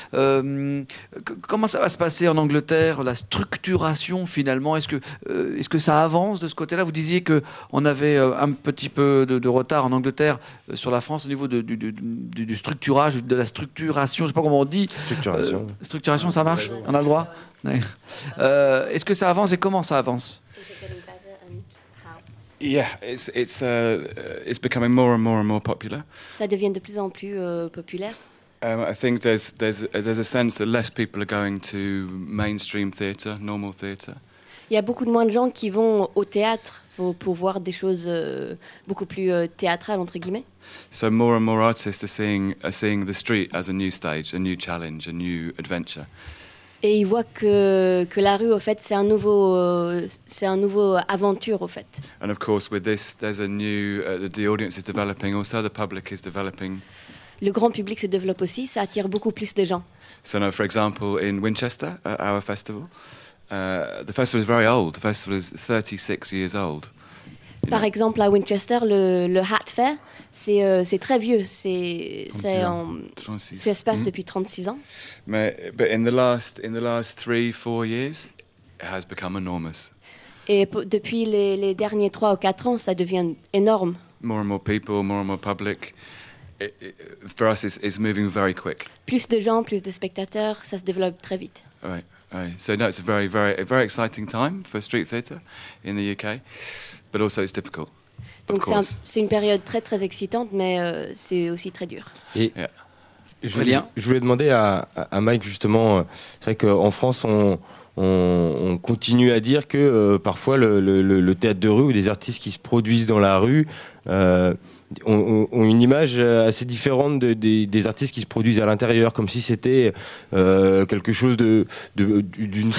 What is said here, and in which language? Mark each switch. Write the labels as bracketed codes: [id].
[fr] Comment ça va se passer en Angleterre, la structuration finalement, est-ce que ça avance de ce côté-là? Vous disiez qu'on avait un petit peu de retard en Angleterre sur la France au niveau du structurage, de la structuration, je ne sais pas comment on dit. Structuration. Structuration, ça marche? On a le droit? Ouais. Est-ce que ça avance et comment ça avance? [en] Yeah, it's becoming more and more and more popular. [fr] Ça devient de plus en plus populaire. [en] I think there's a sense that less people are going to mainstream theatre, normal theatre. [fr] Il y a beaucoup de moins de gens qui vont au théâtre pour voir des choses beaucoup plus théâtrales entre guillemets. [en] So more and more artists are seeing the street as a new stage, a new challenge, a new adventure. [fr] Et ils voient que la rue, au fait, c'est un nouveau aventure, au fait. [en] And of course, with this, there's a new the audience is developing, also the public is developing. [fr] Le grand public se développe aussi, ça attire beaucoup plus de gens. [en] So now, for example, in Winchester, our festival, the festival is very old. The festival is 36 years old. [fr] Par exemple, à Winchester, le Hat Fair, c'est très vieux. Ça se passe depuis 36 ans. Mais, [en] but in the last 3-4 years, it has become enormous. [fr] Et depuis les derniers 3 ou 4 ans, ça devient énorme. [en] More and more people, more and more public. For us, it's moving very quick. [fr] Plus de gens, plus de spectateurs, ça se développe très vite. [en] Right. So now it's a very, very, very exciting time for street theatre in the UK. But also it's difficult. [fr] Donc c'est une période très très excitante, mais c'est aussi très dur. Et je voulais demander à Mike justement, c'est vrai qu'en France on continue à dire que parfois le théâtre de rue ou des artistes qui se produisent dans la rue ont une image assez différente des artistes qui se produisent à l'intérieur, comme si c'était quelque chose d'une